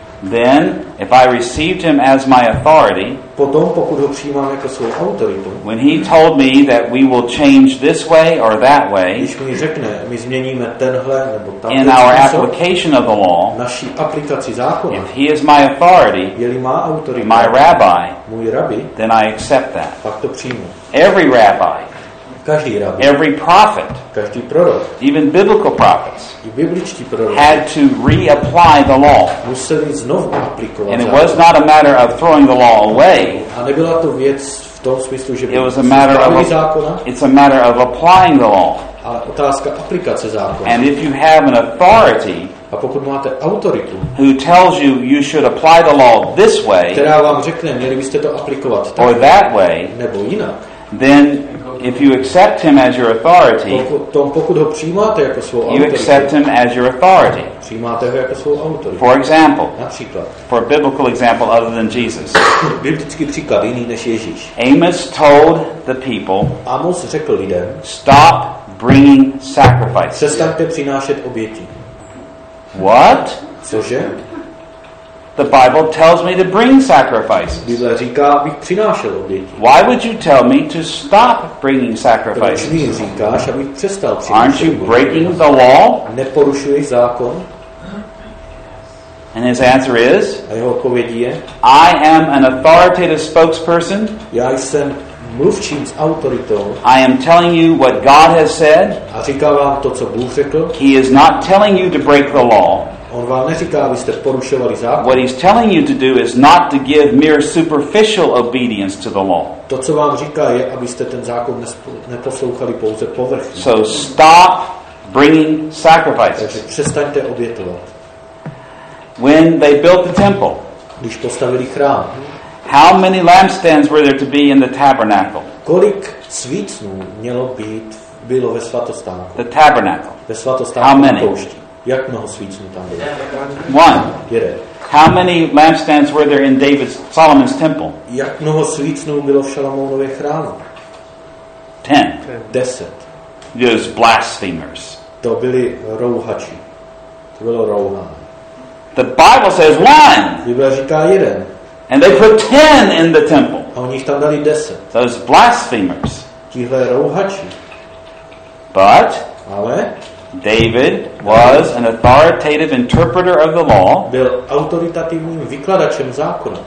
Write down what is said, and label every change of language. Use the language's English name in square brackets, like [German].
[English] then, if I received him as my authority, [Czech] potom, pokud ho přijímám jako svou autoritu, [English] when he told me that we will change this way or that way, [Czech] když mi řekne, my změníme tenhle nebo tamhle, [English] in our application of the law, [Czech] naší aplikaci zákona, [English] if he is my authority, [Czech] je-li má autoritu, [English] my rabbi, [Czech] můj rabbi, [English] then I accept that. [Czech] Pak to přijmu. [English] Every rabbi, [Czech] každý rabbi, [English] every prophet, [Czech] každý prorok, [English] even biblical prophets, [Czech] i bibličtí proroci, [English] had to reapply the law. [Czech] Museli znovu aplikovat. [English] And it was not a matter of throwing the law away. [Czech] A nebyla to věc v tom smyslu, že [English] by it was a matter of [Czech] zákona, [English] it's a matter of applying the law. [Czech] Ale otázka aplikace zákona. [English] And if you have an authority, [Czech] a pokud máte autoritu, [English] who tells you you should apply the law this way, [Czech] která vám řekne, měli byste to aplikovat tak, [English] or that way, [Czech] nebo jinak, [English] then if you accept him as your authority, [Czech] pokud ho přijímáte jako svou autoritu, [English] you accept him as your authority. [Czech] Přijímáte ho jako svou autoritu. [English] For example, [Czech] například, [English] for a biblical example other than Jesus, [Czech] biblický příklad jiný než Ježíš. [English] Amos told the people, [Czech] Amos řekl lidem, [English] stop bringing sacrifices. [Czech] Přestaňte přinášet oběti. [English] What? [Czech] Cože? [English] The Bible tells me to bring sacrifices. [Czech] Bible říká, abych přinášel oběti. [English] Why would you tell me to stop bringing sacrifices? [Czech] Proč mi říkáš, abych přestal přinášet? [English] Aren't you breaking the law? [Czech] Neporušuješ zákon? [English] And his answer is, [Czech] a jeho odpověď je, [English] I am an authoritative spokesperson. [Czech] Já jsem mluvčím s autoritou. [English] I am telling you what God has said. [Czech] A říká vám to, co Bůh řekl. [English] He is not telling you to break the law. [Czech] On vám neříká, abyste porušovali zákon. [English] What he's telling you to do is not to give mere superficial obedience to the law. [Czech] To, co vám říká, je, abyste ten zákon neposlouchali pouze povrchně. [English] So stop bringing sacrifices. [Czech] Takže přestaňte obětovat. [English] When they built the temple, [Czech] když postavili chrám, [English] how many lampstands were there to be in the tabernacle? [Czech] Kolik svícnů mělo být bylo ve svatostánku? [English] The tabernacle. [Czech] Ve svatostánku. [English] How many? [Czech] Jak mnoho svícnů tam bylo? [English] One. [Czech] Jeden. [English] How many lampstands were there in Solomon's temple? [Czech] Jak mnoho svícnů bylo v Šalamounově chrámu? [English] Ten. [Czech] Deset. [English] Those blasphemers. [Czech] To byli rouhači. To bylo rouhání. [English] The Bible says one. [Czech] Bible říká jeden. [English] And they put 10 in the temple. [Czech] A oni tam dali 10. [English] Those blasphemers. [Czech] Tihle rouhači. [English] But. [Czech] Ale. [English] David was an authoritative interpreter of the law. [Czech] Byl autoritativním vykladačem zákona.